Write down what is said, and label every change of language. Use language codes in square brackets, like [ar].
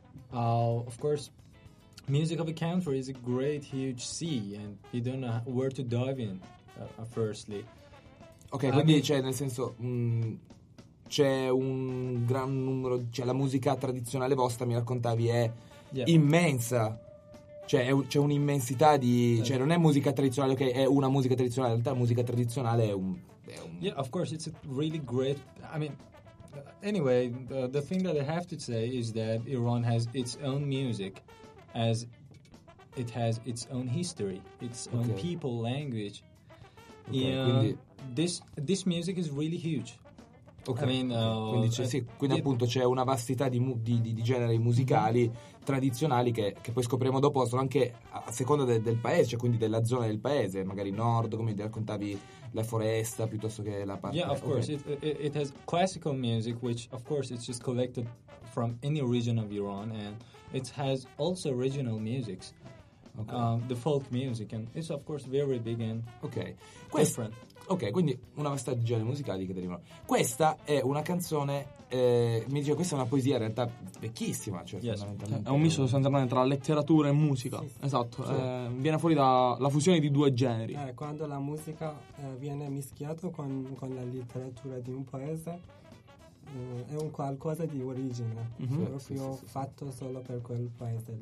[en] Of course, music of a country is a great huge sea, and you don't know where to dive in. Firstly. Okay. [it] Quindi c'è, nel senso, c'è un gran numero. C'è la musica tradizionale vostra, mi raccontavi, è immensa. Cioè c'è un'immensità di. Cioè non è musica tradizionale. Ok, è una musica tradizionale. In realtà, la musica tradizionale è un. [en] Yeah, of course, it's a really great... I mean, anyway, the thing that I have to say is that Iran has its own music, as it has its own history, its own people, language. Okay, yeah, this music is really huge. Okay. I mean, [it] appunto c'è una vastità di generi musicali tradizionali che poi scopriremo dopo, sono anche a seconda del paese, cioè quindi della zona del paese, magari nord, come ti raccontavi, la foresta piuttosto che la parte. [en] Yeah, of course, it has classical music, which of course it's just collected from any region of Iran, and it has also regional musics. Okay. The folk music, and it's of course very big and different. [it] Ok, quindi una vasta genere musicali che derivano. Questa è una canzone, mi dice, questa è una poesia in realtà vecchissima, cioè fondamentalmente. È un misto sostanzialmente tra letteratura e musica. Sì. Esatto, sì. Viene fuori dalla fusione di due generi. Quando la musica viene mischiata con la letteratura di un paese, è un qualcosa di origine, fatto solo per quel paese.